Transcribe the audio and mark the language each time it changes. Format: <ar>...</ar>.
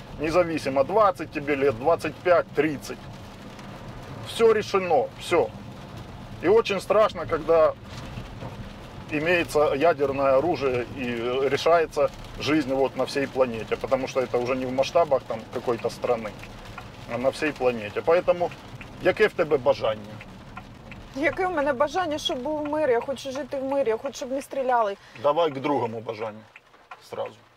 <ru>Независимо, 20 тебе лет, 25, 30. Все решено, все. И очень страшно, когда имеется ядерное оружие и решается жизнь вот на всей планете, потому что это уже не в масштабах там какой-то страны, а на всей планете. Поэтому,</ru> <uk>яке в тебе бажання? Яке в мене бажання, щоб був мир, я хочу жити в мирі, я хочу, щоб не стріляли.</uk> <ru>Давай к другому</ru> <uk>бажанню</uk> <ru>сразу.</ru>